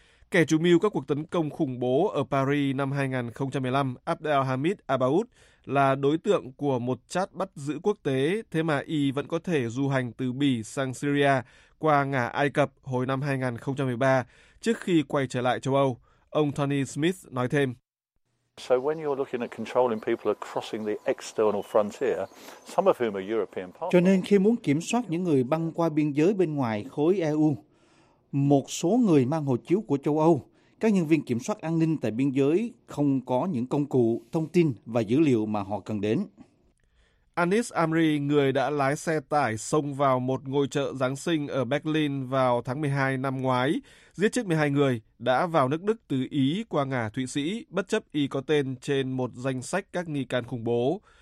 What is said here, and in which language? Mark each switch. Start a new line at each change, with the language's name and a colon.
Vietnamese: Kẻ chủ mưu các cuộc tấn công khủng bố ở Paris năm 2015, Abdelhamid Abaoud, là đối tượng của một chat bắt giữ quốc tế, thế mà y vẫn có thể du hành từ Bỉ sang Syria qua ngả Ai Cập hồi năm 2013, trước khi quay trở lại châu Âu. Ông Tony Smith nói thêm.
English: So when you're looking at controlling people crossing the external frontier, some of whom are European partners.
Vietnamese: Cho nên khi muốn kiểm soát những người băng qua biên giới bên ngoài khối EU, một số người mang hộ chiếu của châu Âu, các nhân viên kiểm soát an ninh tại biên giới không có những công cụ, thông tin và dữ liệu mà họ cần đến. Anis Amri, người đã lái xe tải xông vào một ngôi chợ Giáng sinh ở Berlin vào tháng 12 năm ngoái, giết chết 12 người, đã vào nước Đức từ Ý qua ngả Thụy Sĩ, bất chấp y có tên trên một danh sách các nghi can khủng bố.